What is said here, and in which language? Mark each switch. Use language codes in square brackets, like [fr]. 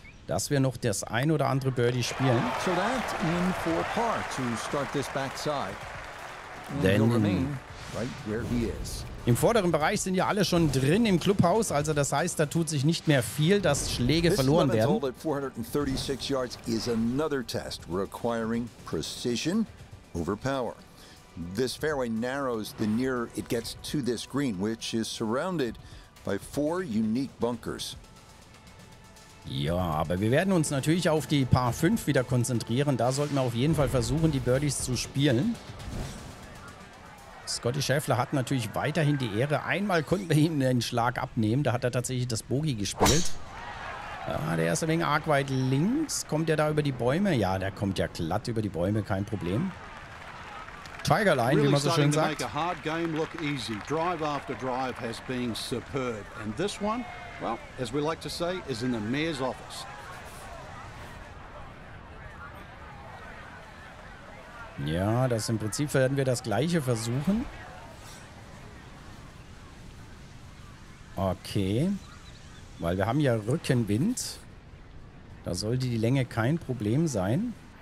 [de] dass wir noch das ein oder andere Birdie spielen. [en] So that in for par to start this backside. [de] Denn [en] right where he is. [de] Im vorderen Bereich sind ja alle schon drin im Clubhaus, also das heißt, da tut sich nicht mehr viel, dass Schläge verloren werden. [en] This 436 yards is another test requiring precision over power. This fairway narrows the nearer it gets to this green, which is surrounded by four unique bunkers. [de] Ja, aber wir werden uns natürlich auf die Par 5 wieder konzentrieren. Da sollten wir auf jeden Fall versuchen, die Birdies zu spielen. Scotty Scheffler hat natürlich weiterhin die Ehre. Einmal konnten wir ihm den Schlag abnehmen. Da hat er tatsächlich das Bogey gespielt. Ah, der ist ein wenig arg weit links. Kommt er da über die Bäume? Ja, der kommt ja glatt über die Bäume. Kein Problem. Tiger Line, wie man so schön sagt. [en] Drive after drive has been superb. And this one, well, as we like to say, is in the mayor's office. [de] Ja, das im Prinzip werden wir das gleiche versuchen. Okay. Weil wir haben ja Rückenwind. Da sollte die Länge kein Problem sein.